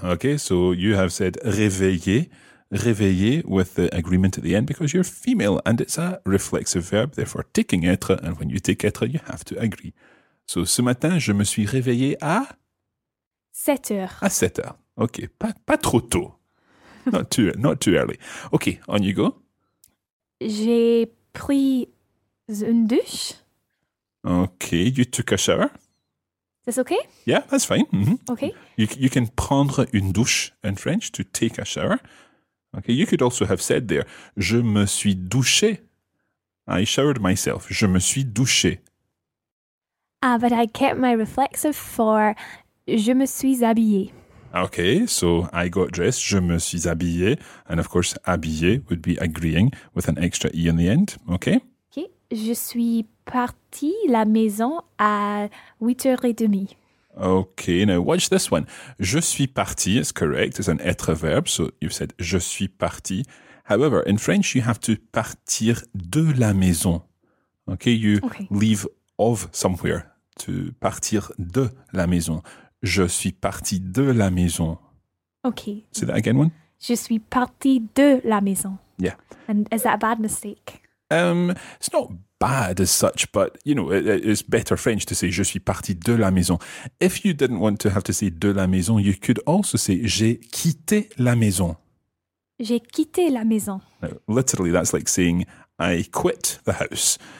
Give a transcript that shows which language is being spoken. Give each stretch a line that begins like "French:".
English: Okay, so you have said réveillé, réveillé with the agreement at the end because you're female and it's a reflexive verb, therefore taking être, and when you take être, you have to agree.
French: So ce matin, je me suis réveillé à... 7 heures. À 7 heures.
English: Okay,
French: pas trop tôt.
English: Not too early. Okay, on you go.
French: J'ai pris une douche.
English: Okay, you took a shower. That's okay? Yeah, that's fine. Mm-hmm. Okay. You can
French: prendre une douche
English: in French, to take a shower. Okay, you could also have said there,
French: je me suis douché.
English: I showered myself.
French: Je me suis douché.
English: Ah, but I kept my reflexive for
French: je me suis habillé.
English: Okay, so I got dressed,
French: je me suis habillé,
English: and of course, habillé would be agreeing with an extra E in the end, okay?
French: Okay, je suis parti la maison à 8h30.
English: Okay, now watch this one.
French: Je suis parti
English: is correct, it's an être verb, so you've said
French: je suis parti.
English: However, in French, you have to
French: partir de la maison,
English: okay? Leave of somewhere, to
French: partir de la maison. Je suis parti de la maison.
English: Okay. Say that again, one.
French: Je suis parti de la maison.
English: Yeah. And is that a bad mistake? It's not bad as such, but, you know, it's better French to say
French: je suis parti de la maison.
English: If you didn't want to have to say
French: de la maison,
English: you could also say
French: j'ai quitté la maison. J'ai quitté la maison.
English: Now, literally, that's like saying I quit the house.